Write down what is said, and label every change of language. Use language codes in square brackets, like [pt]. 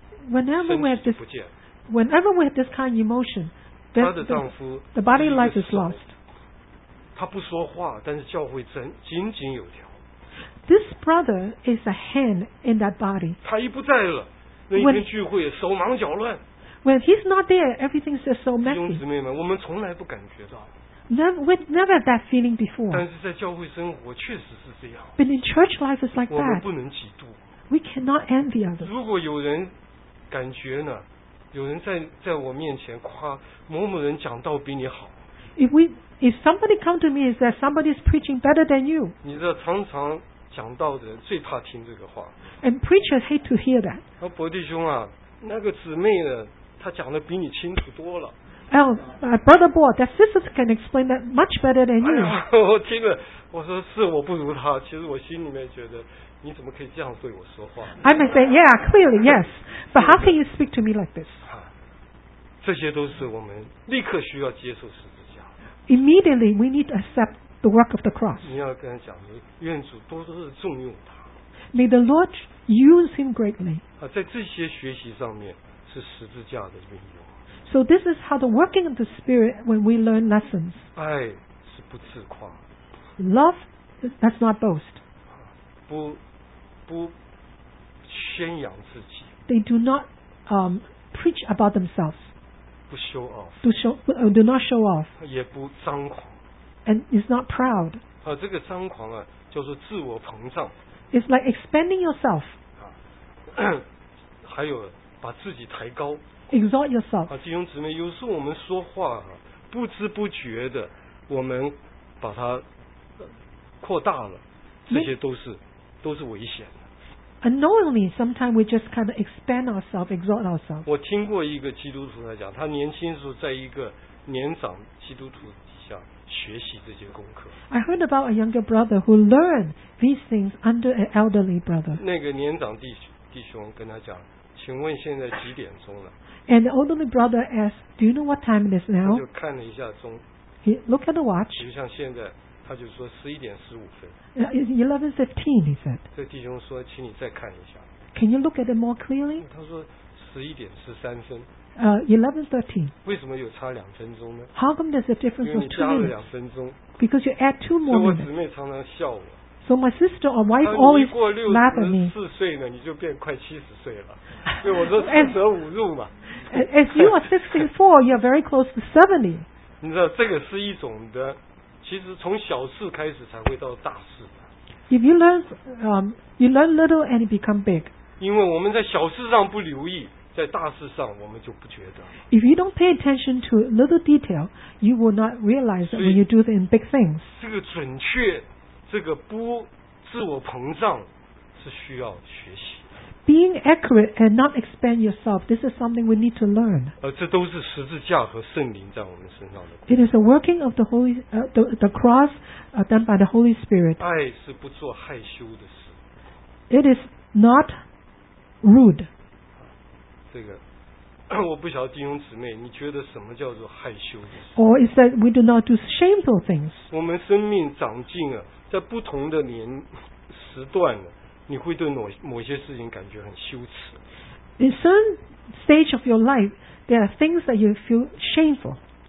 [en] Whenever we have this kind of emotion, the body life is lost. [zh] 他不说话，但是教会井井有条。 [en] This brother is a hand in that body. [zh] 他一不在了，那一天聚会手忙脚乱。 [en] When he's not there, everything's just so messy. [zh] 弟兄姊妹们，我们从来不感觉到。 [en] We've never had that feeling before. [zh] 但是在教会生活确实是这样。 [en] But in church life is like that. [zh] 我们不能嫉妒。 [en] We cannot envy others. [zh] 如果有人感觉呢，有人在我面前夸某某人讲道比你好。 [en] If somebody come to me and say somebody is preaching better than you， [zh] 你知道常常讲道的人最怕听这个话。 [en] And preachers hate to hear that。 [zh] 那伯弟兄啊，那个姊妹呢，她讲的比你清楚多了。 [en] Brother boy, that sister can explain that much better than you。 [zh] 我听了，我说是我不如她，其实我心里面觉得。你怎么可以这样对我说话 [en] ？I may say, yeah, clearly, yes, but how can you speak to me like this? [zh] 这些都是我们立刻需要接受十字架。 [en] Immediately, we need to accept the work of the cross. [zh] 你要跟他讲，愿主多多的重用他。 [en] May the Lord use him greatly. [zh] 在这些学习上面是十字架的运用。 [en] So this is how the working of the Spirit when we learn lessons. [zh] 爱是不自夸。 [en] Love does not boast. [zh] 不宣扬自己。 [en] They do not preach about themselves. [zh] 不 [en] show off. Do not show off. [zh] 也不张狂。 [en] And is not proud. [zh] 这个张狂啊，就是自我膨胀。 [en] It's like expanding yourself. [zh] 还有把自己抬高。 [en] Exalt yourself. [zh] 弟兄姊妹，有时候我们说话啊，不知不觉的，我们把它扩大了，这些都是危险的。 [en] Unknowingly, sometimes we just kind of expand ourselves, exalt ourselves. [zh] 我听过一个基督徒来讲，他年轻时候在一个年长基督徒底下学习这些功课。 [en] I heard about a younger brother who learned these things under an elderly brother. [zh] 那个年长弟兄跟他讲，请问现在几点钟了 [en] ？And the elderly brother asked, "Do you know what time it is now?" [zh] 他就看了一下钟。 [en] He looked at the watch. [zh] 就像现在。他就说11:15。 [en] 11:15, he said. [zh] 这弟兄说，请你再看一下。 [en] Can you look at it more clearly? [zh] 他说11:13。 [en] 11:13. [zh] 为什么有差两分钟呢 [en] ？How come there's a difference of 2 minutes? [zh] 因为你加了两分钟。 [en] Because you add 2 more minutes. [zh] 所以我姊妹常常笑我。 [en] So my sister or wife always laugh at me. [zh] 你过64岁呢，你就变快70岁了。所以我说四舍五入嘛。 [en] As you are 64, you're very close to 70. [zh] 你知道这个是一种的。其实从小事开始才会到大事。 [en] If you learn, you learn little and it become big. [zh] 因为我们在小事上不留意，在大事上我们就不觉得。 [en] If you don't pay attention to little detail, you will not realize that when you do it in big things. [zh] 这个准确，这个不自我膨胀，是需要学习。 [en] Being accurate and not expand yourself, this is something we need to learn. [zh] 这都是十字架和圣灵在我们身上的。 [en] It is the working of the Holy, the cross, done by the Holy Spirit. [zh] 爱是不做害羞的事。 [en] It is not rude. [zh] 这个，我不晓得弟兄姊妹，你觉得什么叫做害羞的事 [en] ？Or is that we do not do shameful things? [zh] 我们生命长进啊，在不同的年时段呢。你会对某些事情感觉很羞耻。 [en] In certain stage of your life, there are things that you feel shameful.